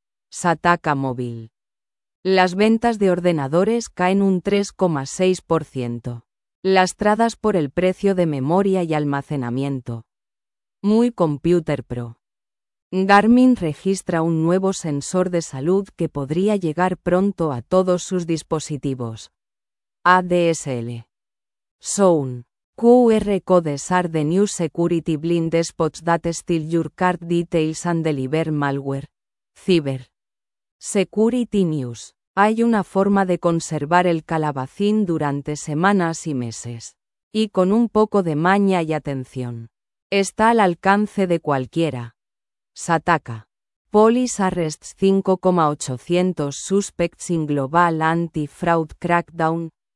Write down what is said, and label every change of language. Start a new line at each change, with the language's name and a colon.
Spanish: Sataka Móvil. Las ventas de ordenadores caen un 3,6%. Lastradas por el precio de memoria y almacenamiento. Muy Computer Pro. Garmin registra un nuevo sensor de salud que podría llegar pronto a todos sus dispositivos. ADSL. Zone.
English: QR codes are the new security blind spots that steal your card details and deliver malware. Cyber. Security News.
Spanish: Hay una forma de conservar el calabacín durante semanas y meses. Y con un poco de maña y atención. Está al alcance de cualquiera. Sataka.
English: Police arrests 5,800 suspects in global anti-fraud crackdown.